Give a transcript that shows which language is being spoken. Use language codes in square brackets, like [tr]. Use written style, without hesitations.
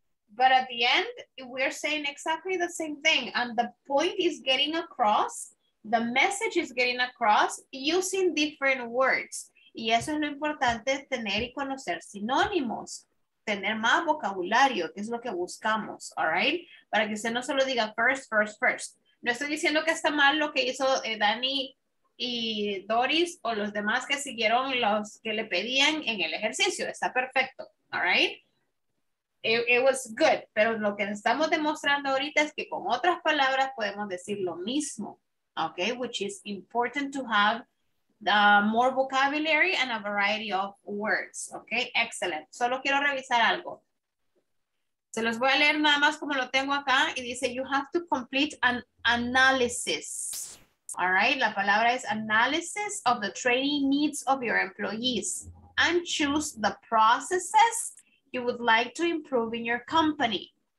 [en] But at the end, we're saying exactly the same thing. And the point is getting across, the message is getting across using different words. [es] Y eso es lo importante, tener y conocer sinónimos, tener más vocabulario, que es lo que buscamos, all right? Para que usted no solo diga first. No estoy diciendo que está mal lo que hizo Dani y Doris o los demás que siguieron los que le pedían en el ejercicio. Está perfecto, all right? [en] It was good, [es] pero lo que estamos demostrando ahorita es que con otras palabras podemos decir lo mismo, okay? [en] Which is important to have more vocabulary and a variety of words. Okay, excellent. [es] Solo quiero revisar algo. Se los voy a leer nada más como lo tengo acá. Y dice, [en] you have to complete an analysis. All right, [es] la palabra es [en] analysis of the training needs of your employees and choose the processes you would like to improve in your company.